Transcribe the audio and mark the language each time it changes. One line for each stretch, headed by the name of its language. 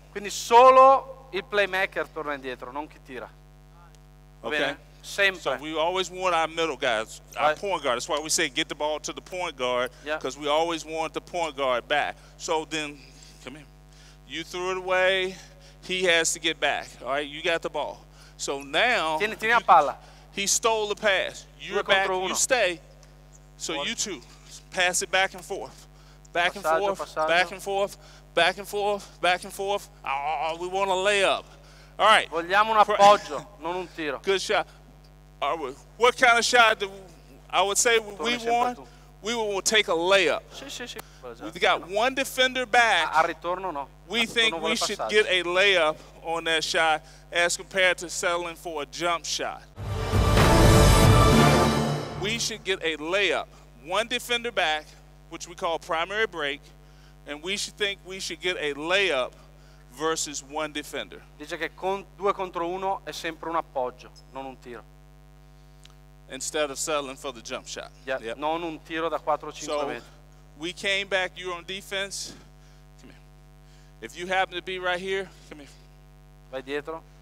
Italian: Quindi solo il playmaker torna indietro, non chi tira.
English: Okay.
Italian: Sempre.
English: So we always want our middle guys, our point guard. That's why we say get the ball to the point guard, because we always want the point guard back. So then, come here. You threw it away, he has to get back. All right, you got the ball. So now,
Italian: tieni la palla.
English: He stole the pass. You're back, you stay. So you two. Pass it back and forth. Back
Italian: passaggio,
English: and forth.
Italian: Passaggio.
English: Back and forth. Back and forth. Back and forth. Oh, we want a layup. All right.
Italian: Vogliamo un appoggio, non un tiro.
English: Good shot. Are we, what kind of shot do we, I would say we want? We will take a layup.
Italian: Sì.
English: We've got one defender back.
Italian: A ritorno, no.
English: We
Italian: a
English: think
Italian: ritorno
English: we should get a layup on that shot as compared to settling for a jump shot. We should get a layup. One defender back, which we call primary break, and we should think we should get a layup versus one defender.
Italian: Dice che con due contro uno è sempre un appoggio, non un tiro.
English: Instead of settling for the jump shot. Yeah, yep.
Italian: Non un tiro da 4-5
English: so
Italian: metri.
English: We came back, you're on defense. Come here. If you happen to be right here, come here.
Italian: Vai dietro.